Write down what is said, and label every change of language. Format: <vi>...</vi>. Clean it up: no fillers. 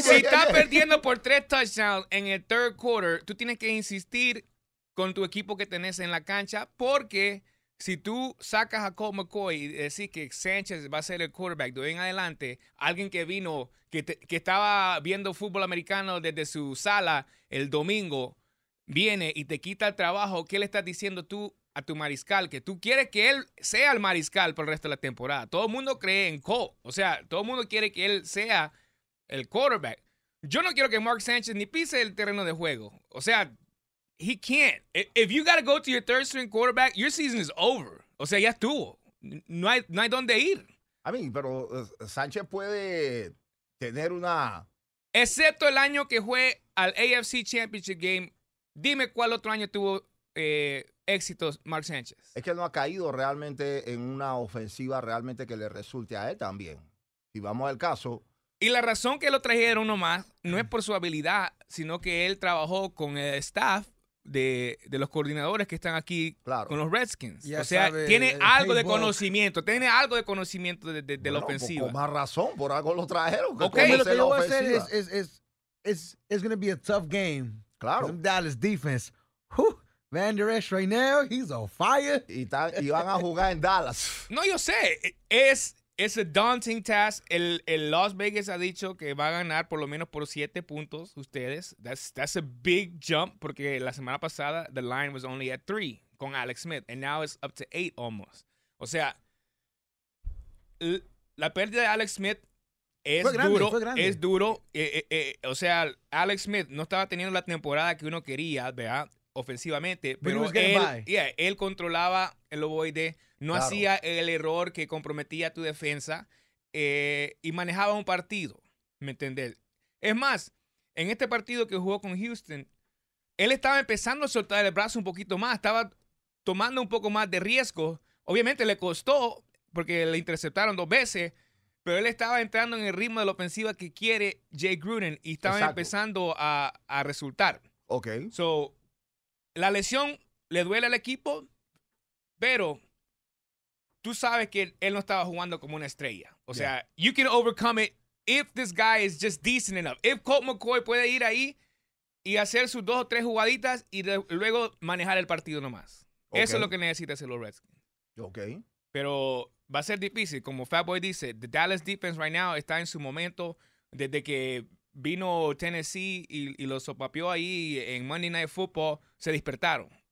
<es>Si estás perdiendo por 3 touchdowns en el third quarter, tú tienes que insistir con tu equipo que tenés en la cancha, porque si tú sacas a Colt McCoy y decís que Sánchez va a ser el quarterback de hoy en adelante, alguien que vino, que estaba viendo fútbol americano desde su sala el domingo, viene y te quita el trabajo, ¿qué le estás diciendo tú a tu mariscal? Que tú quieres que él sea el mariscal por el resto de la temporada. Todo el mundo cree en Colt. O sea, todo el mundo quiere que él sea el quarterback. Yo no quiero que Mark Sánchez ni pise el terreno de juego. O sea,</es> <en>he can't. If you got to go to your third string quarterback, your season is over.</en> <es>O sea, ya estuvo. No hay dónde ir.</es> <en>I mean,</en> <es>pero Sánchez puede tener una... Excepto el año que fue al AFC Championship Game. Dime cuál otro año tuvo éxitos Mark Sánchez. Es que no ha caído realmente en una ofensiva realmente que le resulte a él también. Si vamos al caso... Y la razón que lo trajeron nomás no es por su habilidad, sino que él trabajó con el staff de los coordinadores que están aquí, claro, con los Redskins. Ya, o sea, sabe, tiene algo de conocimiento. Tiene algo de conocimiento de bueno, la ofensiva. Con más razón, por algo lo trajeron. Que okay, lo que yo voy a hacer es</es> <en>going to be a tough game.</en> <es>Claro.</es> <en>Dallas defense. Whew. Van Der Esch right now, he's on fire.</en> <es>Y van a jugar en Dallas. No, yo sé. Es</es> <en>a daunting task.</en> <es>El Las Vegas ha dicho que va a ganar por lo menos por 7 puntos ustedes.</es> <en>That's a big jump,</en> <es>porque la semana pasada</es> <en>the line was only at 3 con Alex Smith. And now it's up to 8 almost.</en> <es>O sea, la pérdida de Alex Smith es grande, duro. Fue grande. Es duro. O sea, Alex Smith no estaba teniendo la temporada que uno quería, ¿verdad? Ofensivamente, pero él controlaba el ovoide, no hacía el error que comprometía tu defensa y manejaba un partido, ¿me entendés? Es más, en este partido que jugó con Houston, él estaba empezando a soltar el brazo un poquito más, estaba tomando un poco más de riesgo. Obviamente le costó porque le interceptaron 2 veces, pero él estaba entrando en el ritmo de la ofensiva que quiere Jay Gruden y estaba empezando a resultar. Ok. So, la lesión le duele al equipo, pero tú sabes que él no estaba jugando como una estrella. O sea,</es> <en>you can overcome it if this guy is just decent enough.</en> <es>If Colt McCoy puede ir ahí y hacer sus 2 o 3 jugaditas y luego manejar el partido nomás. Okay. Eso es lo que necesita hacer los Redskins. Ok. Pero va a ser difícil. Como Fatboy dice,</es> <en>the Dallas defense right now</en> <es>está en su momento desde que... Vino Tennessee y los sopapió ahí en Monday Night Football, se despertaron.</es>